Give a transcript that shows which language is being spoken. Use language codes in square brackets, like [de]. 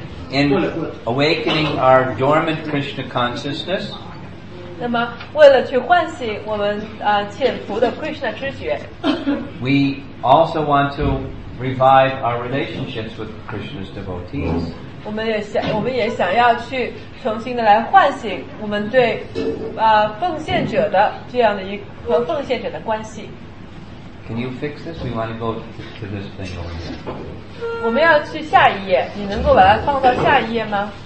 [en] In awakening our dormant Krishna consciousness, [zh] 那么为了去唤醒我们, 潜伏的Krishna知觉, [en] we also want to revive our relationships with Krishna's devotees. [zh] 我们也想要去重新的来唤醒我们对, 奉献者的这样的一和奉献者的关系。 [en] Can you fix this? We want to go to this thing over here. [zh] 我们要去下一页, 你能够把它放到下一页吗?